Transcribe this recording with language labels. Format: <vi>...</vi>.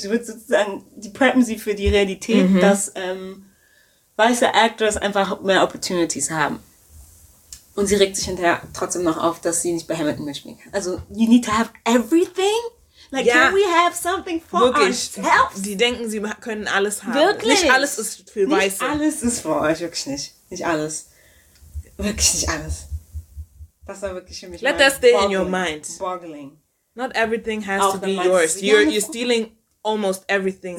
<de>Sie wird sozusagen, die preppen sie für die Realität, dass weiße Actors einfach mehr Opportunities haben. Und sie regt sich hinterher trotzdem noch auf, dass sie nicht bei Hamilton mitspielen kann.</de> <en>Also, you need to have everything. Like, can we have something for</en> <de>wirklich</de> <en>ourselves?</en> <de>Die denken, sie können alles haben. Wirklich? Nicht alles ist für nicht Weiße. Nicht alles ist für euch, wirklich nicht. Nicht alles. Wirklich nicht alles. Das war wirklich für mich.</de> <en>Let that stay in your mind. Boggling. Not everything has</en> <de>auch</de> <en>to be yours. You're stealing almost everything.</en>